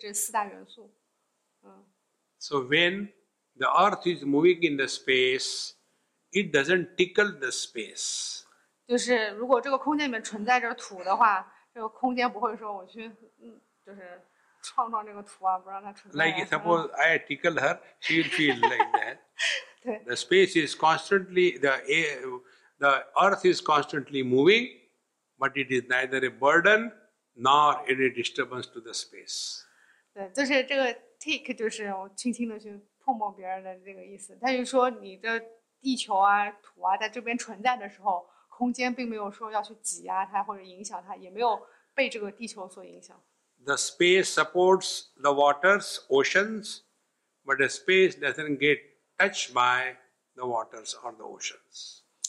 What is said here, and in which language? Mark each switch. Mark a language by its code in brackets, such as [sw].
[zh] 就空间当中就是支撑着这个土地，地火水风，就是这四大元素。 [en] So when the earth is moving in the space, it doesn't tickle the space. [zh] 就是如果这个空间里面存在着土的话，这个空间不会说我去，就是撞撞这个土啊，不让它存在。 [en] Like suppose I tickle her, she will feel like that. [zh] 对。 [en] The space is constantly, the earth is constantly moving, but it is neither a burden nor any disturbance to the space. [zh] 对，就是这个 tick 就是我轻轻的去碰碰别人的这个意思，但是说你的地球啊、土啊在这边存在的时候。空间并没有说要去挤压它或者影响它，也没有被这个地球所影响。 [en] The space supports the waters, oceans, but the space doesn't get touched by the waters or the oceans.